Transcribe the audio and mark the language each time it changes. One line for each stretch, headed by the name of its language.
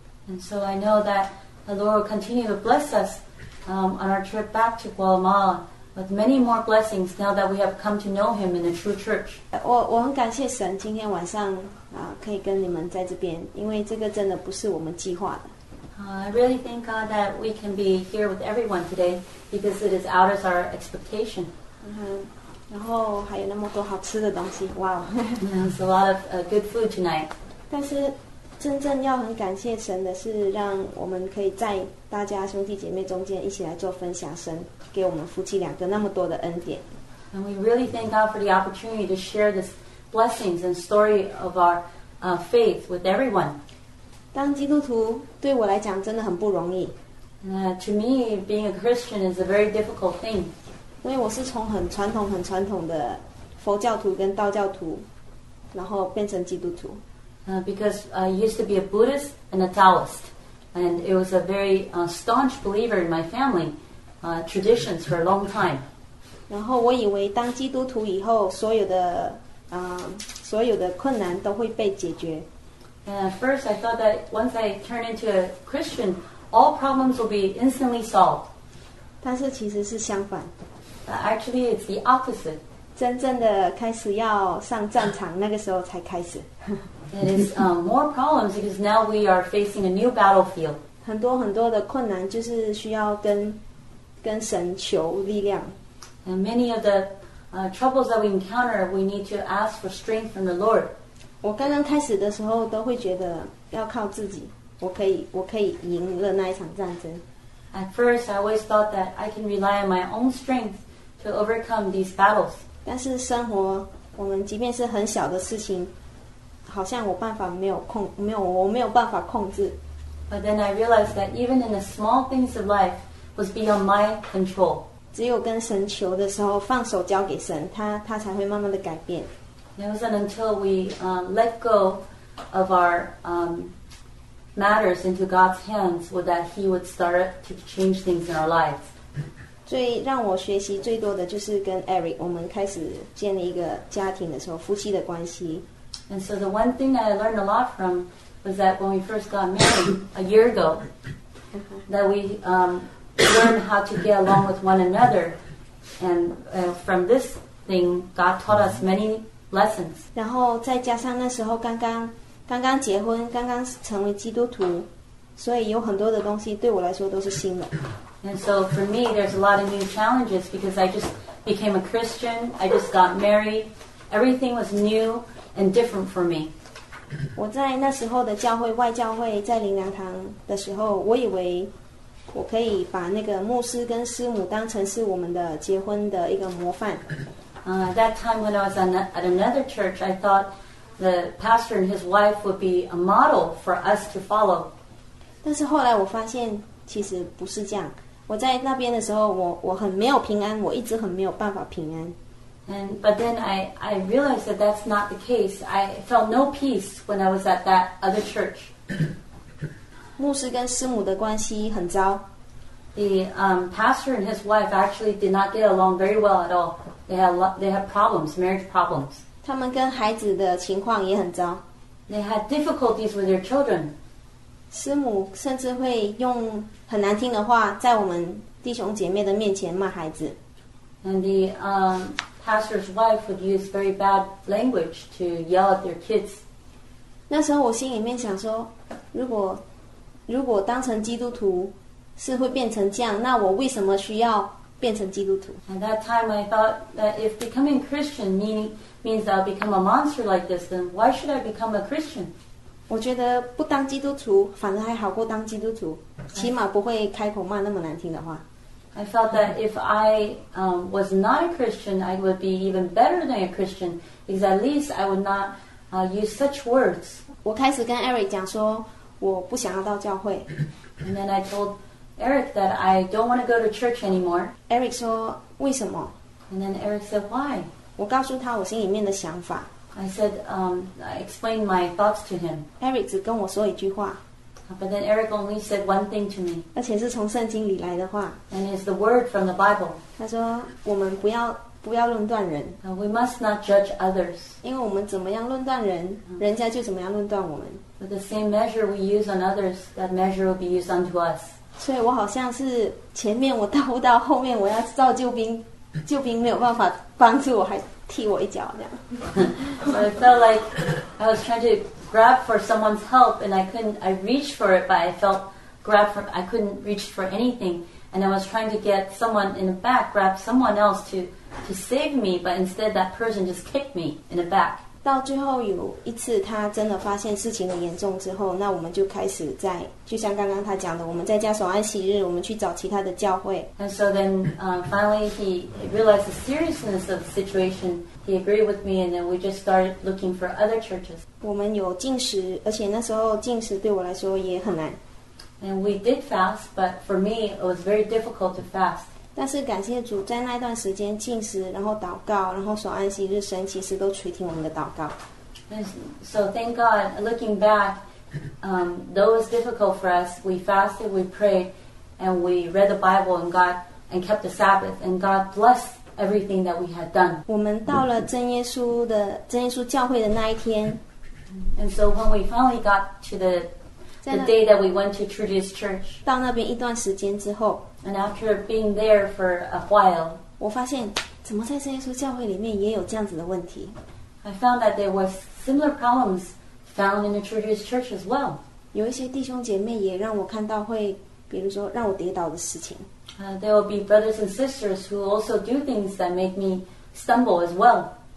English: And so I know that the Lord will continue to bless us on our trip back to Guatemala with many more blessings now that we have come to know Him in the true church.
Chinese: 我很感谢神今天晚上可以跟你们在这边，因为这个真的不是我们计划的。
English: I really thank God that we can be here with everyone today because it is out of our expectation.
Chinese: 然后还有那么多好吃的东西，哇！
English: There's a lot of good food tonight.
Chinese: 但是真正要很感谢神的是让我们可以在大家兄弟姐妹中间一起来做分享，神给我们夫妻两个那么多的恩典。
English: And we really thank God for the opportunity to share this blessings and story of our faith with everyone.
Chinese: 当基督徒对我来讲真的很不容易。
English: To me, being a Christian is a very difficult thing.
Chinese: 因为我是从很传统的佛教徒跟道教徒然后变成基督徒。
English: Because I used to be a Buddhist and a Taoist, and it was a very staunch believer in my family traditions for a long time.
Chinese: 然后我以为当基督徒以后，所有的困难都会被解决。
English: And at first, I thought that once I turn into a Christian, all problems will be instantly solved.
Chinese: 但是其实是相反。
English: Actually, it's the opposite.
Chinese: 真正的开始要上战场，那个时候才开始。
English: It is more problems because now we are facing a new battlefield.
Chinese: 很多很多的困难就是需要跟神求力量。
English: And many of the troubles that we encounter, we need to ask for strength from the Lord.
Chinese: 我刚刚开始的时候都会觉得要靠自己，我可以赢了那一场战争。
English: At first, I always thought that I can rely on my own strength to overcome these battles.
Chinese: 但是生活，我们即便是很小的事情。好像我办法没有办法控制。
English: But then I realized that even in the small things of life was beyond my control.
Chinese: 只有跟神求的时候，放手交给神，他才会慢慢的改变。
English: It wasn't until we let go of our matters into God's hands that He would start to change things in our lives.
Chinese: 最让我学习最多的就是跟 Eric， 我们开始建立一个家庭的时候，夫妻的关系。
English: And so the one thing that I learned a lot from was that when we first got married a year ago, that we learned how to get along with one another. And from this thing, God taught us many lessons.
Chinese: 然后再加上那时候刚刚结婚，刚刚成为基督徒，所以有很多的东西对我来说都是新的。
English: And so for me, there's a lot of new challenges because I just became a Christian. I just got married. Everything was new. and different for me.
Chinese: 我在那时候的教会外教会在灵粮堂的时候，我以为我可以把那个牧师跟师母当成是我们的结婚的一个模范。
English: That time when I was at another church, I thought the pastor and his wife would be a model for us to follow.
Chinese: 但是后来我发现其实不是这样。我在那边的时候，我很没有平安，我一直很没有办法平安。
English: But then I realized that that's not the case. I felt no peace when I was at that other church.
Chinese: 牧师跟师母的关系很糟。
English: The pastor and his wife actually did not get along very well at all. They had problems, marriage problems.
Chinese: 他们跟孩子的情况也很糟。
English: They had difficulties with their children.
Chinese: 师母甚至会用很难听的话在我们弟兄姐妹的面前骂孩子。
English: And the pastor's wife would use very bad language to yell at their kids.
Chinese: 那时候我心里面想说，如果当成基督徒是会变成这样，那我为什么需要变成基督徒？
English: At that time, I thought that if becoming Christian means I'll become a monster like this, then why should I become a Christian?
Chinese: 我觉得不当基督徒反而还好过当基督徒，起码不会开口骂那么难听的话。
English: I felt that if I was not a Christian, I would be even better than a Christian, because at least I would not use such words.
Chinese: 我开始跟 Eric 讲说，我不想要到教会。
English: And then I told Eric that I don't want to go to church anymore.
Chinese: Eric 说，为什么？
English: And then Eric said, why?
Chinese: 我告诉他我心里面的想法。
English: I explained my thoughts to him.
Chinese: Eric 只跟我说一句话。
English: But then Eric only said one thing to me.
Chinese: 而且是从圣经里来的话。
English: And it's the word from the Bible.
Chinese: 他说，我们不要论断人。
English: We must not judge others.
Chinese: 因为我们怎么样论断人，人家就怎么样论断我们。
English: With the same measure we use on others, that measure will be used unto us.
Chinese: 所以我好像是前面我到不到后面我要造救兵，救兵没有办法帮助我还踢我一脚这样。
English: So I felt like I was trying to grab for someone's help and I reached for it, but I felt I couldn't reach for anything. And I was trying to get someone in the back, grab someone else to save me, but instead that person just kicked me in the back.
Chinese: 到最后有一次他真的发现事情很严重之后，那我们就开始在，就像刚刚他讲的，我们在家守安息日，我们去找其他的教会。
English: And so then finally he realized the seriousness of the situation. He agreed with me and then we just started looking for other churches.
Chinese: 我们有禁食，而且那时候禁食对我来说也很难。
English: And we did fast, but for me, it was very difficult to fast.
Chinese: 但是感谢主，在那段时间禁食，然后祷告，然后守安息日，神其实都垂听我们的祷告。
English: So thank God, looking back, though it was difficult for us, we fasted, we prayed, and we read the Bible and kept the Sabbath, and God blessed everything that we had done.
Chinese: 我们到了真耶稣教会的那一天。
English: And so when we finally got to the day that we went to Trudy's church.
Chinese: 到那边一段时间之后，
English: and after being there for a while,
Chinese: 我发现怎么在真耶稣教会里面也有这样子的问题。
English: I found that there was similar problems found in the Trudy's church as well.
Chinese: 有一些弟兄姐妹也让我看到会，比如说让我跌倒的事情。
English: There will be brothers and sisters who also do things that make me stumble as well.